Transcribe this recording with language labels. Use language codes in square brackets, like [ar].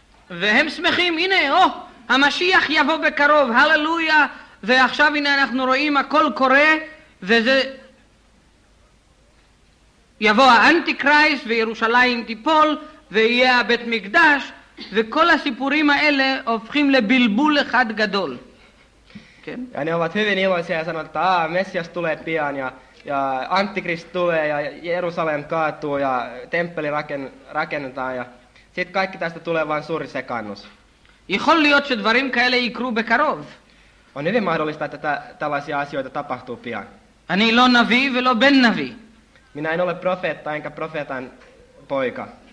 [he] והם שמחים, הנה, oh, המשיח יבוא בקרוב, הללויה, ועכשיו הנה אנחנו רואים הכל קורה, וזה... יבוא האנטיקרייסט וירושלים תיפול ויהיה הבית מקדש וכל הסיפורים האלה הופכים לבלבול אחד גדול. כן? אני אומרת, [fi] hyvin iloisia ja sanon, että Messias tulee pian ja Antikrist tulee ja Jerusalem kaatuu ja temppeli rakennetaan ja sitten kaikki tästä tulee vain suuri sekannus. [he] יכול להיות שדברים כאלה יקרו בקרוב. [fi] On hyvin mahdollista, että tällaisia asioita tapahtuu pian. [he] אני לא נביא ולא בן נביא. [fi] Minä en ole profeetta, enkä profeetan poika.